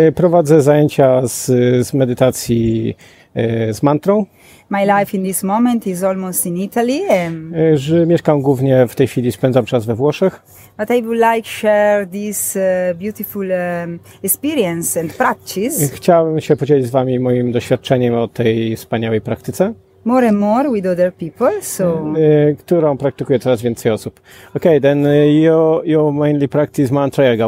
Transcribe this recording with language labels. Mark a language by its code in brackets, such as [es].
[pl] Prowadzę zajęcia z medytacji z mantrą. [en] My life in this moment is almost in Italy. [pl] Mieszkam głównie w tej chwili, spędzam czas we Włoszech. [en] But I would like to share this beautiful experience and practice. [pl] Chciałbym się podzielić z wami moim doświadczeniem o tej wspaniałej praktyce. [en] More and more with other people, so. [pl] Którą praktykuje coraz więcej osób. [en] Okay, then you mainly practice mantra yoga.